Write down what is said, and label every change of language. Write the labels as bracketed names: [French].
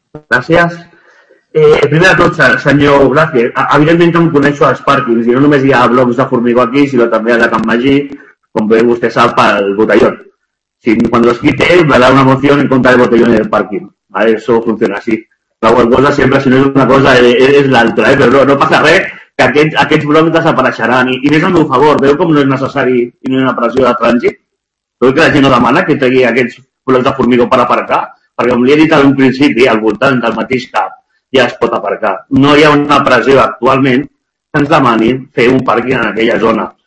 [Catalan] Gràcies. Primer de tot, senyor Blázquez, evidentment que em coneixo als pàrquings i no només hi ha blocs de formigó aquí, sinó també a la Can Magí, com bé vostè sap, al Botellón. [Spanish] Si cuando los quite, me da una moción en contra del botellón en el parking. ¿Vale? Eso funciona así. La huelgosa siempre, si no es una cosa, es la otra. [Catalan] ¿Eh? [Spanish] Pero [Catalan] no pasa res, que aquests blocs desapareixeran. I més al meu favor, veu com no és necessari tenir una pressió de trànsit? Veu que la gent no demana que tregui aquests blocs de formigó per aparcar? Perquè com li he dit al principi, al voltant del mateix cap, ja es pot aparcar. No hi ha una pressió actualment que ens demanin fer un pàrquing en aquella zona.